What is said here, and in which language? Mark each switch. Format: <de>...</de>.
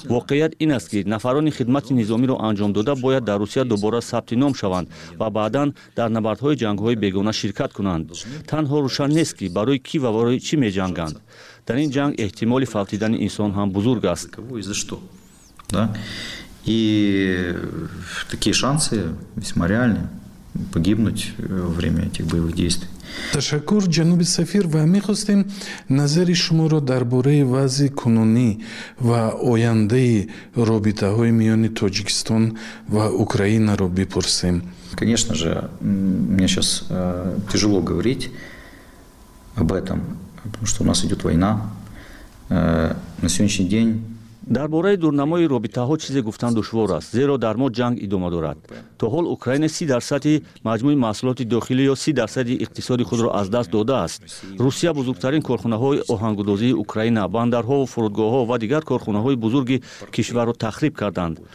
<fa>واقعیت این است که نفرانی خدمت نظامی را انجام داده باید در روسیه دوباره ثبت نام شوند و بعداً در نبردهای جنگهای بیگانه شرکت کنند. تنها روشن نیست که برای کی و برای چی می جنگند. در این جنگ احتمال فوتیدن انسان هم بزرگ است.</fa> <uk>І такі шанси весьма реальні погибнути во время этих бойових действий.</uk> <fa>تشکر جنوب سفیر و می خواستیم نظر شما را درباره وضع کنونی و آینده رابطه های میان تاجیکستان و اوکراین را بپرسیم.</fa> <ru>Конечно же, мне сейчас тяжело говорить об этом, потому что у нас идет война. На сегодняшний день</ru> <fa>در باره دورنمای رابطه ها چیز گفتن دشوار است، زیرا در ما جنگ ادامه دارد. تا حال اوکراین 30% مجموع محصولات داخلی یا 30% اقتصاد خود را از دست داده است. روسیه بزرگترین کارخانه های آهنگدوزی اوکراین، بندرها و فرودگاه ها و دیگر کارخانه های بزرگ کشور را تخریب کردند.</fa>